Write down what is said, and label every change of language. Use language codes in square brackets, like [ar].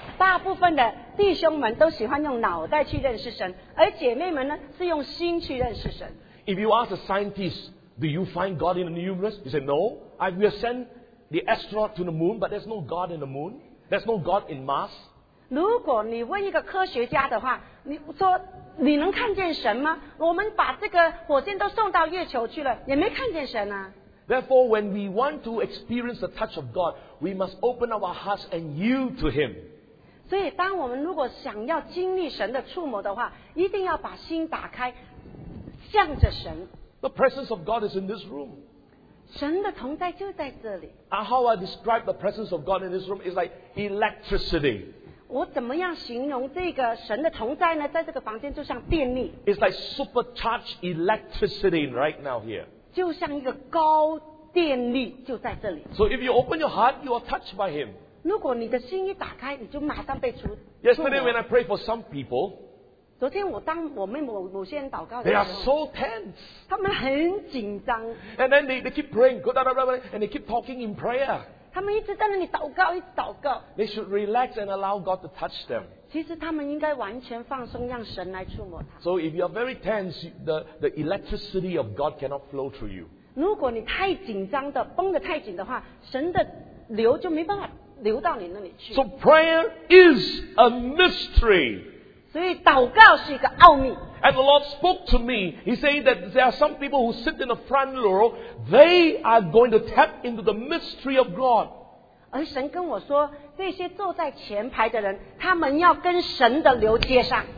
[zh] 大部分的弟兄们都喜欢用脑袋去认识神，而姐妹们呢是用心去认识神。 [en] If you ask a scientist, do you find God in the universe? You say no. I will send the astronaut to the moon, but there's no God in the moon. There's no God in Mars. [zh] 如果你问一个科学家的话，你说你能看见神吗？我们把这个火箭都送到月球去了，也没看见神啊。 [en] Therefore, when we want to experience the touch of God, we must open up our hearts and yield to Him. [zh] 所以当我们如果想要经历神的触摸的话，一定要把心打开，向着神。 [en] The presence of God is in this room. [zh] 神的同在就在这里。 [en] How I describe the presence of God in this room is like electricity. [zh] 我怎么样形容这个神的同在呢？在这个房间就像电力。 [en] It's like supercharged electricity right now here. [zh] 就像一个高电力就在这里。 [en] So if you open your heart, you are touched by Him. [zh] 如果你的心一打开，你就马上被触。 [en] Yesterday when I pray for some people, [zh] 昨天我当我们某些人祷告的时候， [en] they are so tense. [zh] 他们很紧张。 [en] And then they keep praying, go down, and they keep talking in prayer. [zh] 他们一直在那里祷告，一直祷告。 [en] They should relax and allow God to touch them. [zh] 其实他们应该完全放松，让神来触摸他。 [en] So if you are very tense, the electricity of God cannot flow through you. [zh] 如果你太紧张的，绷得太紧的话，神的流就没办法。流到你那里去。 [en] So prayer is a mystery. [zh] 所以祷告是一个奥秘。 [en] And the Lord spoke to me. He said that there are some people who sit in the front row. They are going to tap into the mystery of God. [zh] 而神跟我说，这些坐在前排的人，他们要跟神的流接上。